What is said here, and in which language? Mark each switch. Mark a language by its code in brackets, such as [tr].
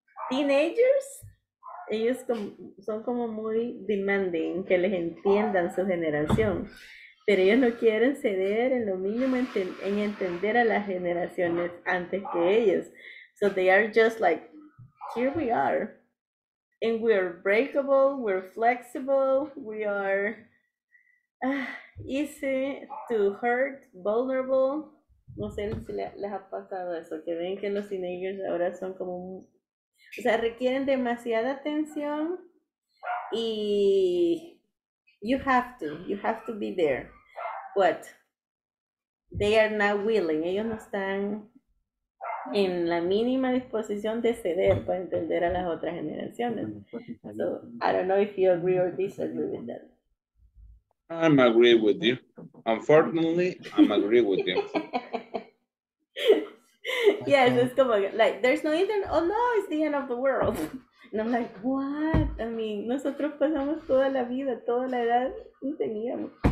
[es] Teenagers, ellos son como muy demanding que les entiendan su generación, pero ellos no quieren ceder en lo mínimo en entender a las generaciones antes que ellos. [en] So they are just like, here we are, and we are breakable, we're flexible, we are easy to hurt, vulnerable. [es] No sé si les ha pasado eso, que ven que los teenagers ahora son como un, o sea, requieren demasiada atención y [en] you have to be there, but they are not willing, [es] ellos no están en la mínima disposición de ceder para entender a las otras generaciones. [en] So, I don't know if you agree or disagree with that. I'm agree with you. Unfortunately, I'm agree with you. Yes, okay. It's como, like, there's no internet. Oh, no, it's the end of the world. And I'm like, what? [es] I mean, nosotros pasamos toda la vida, toda la edad, y teníamos.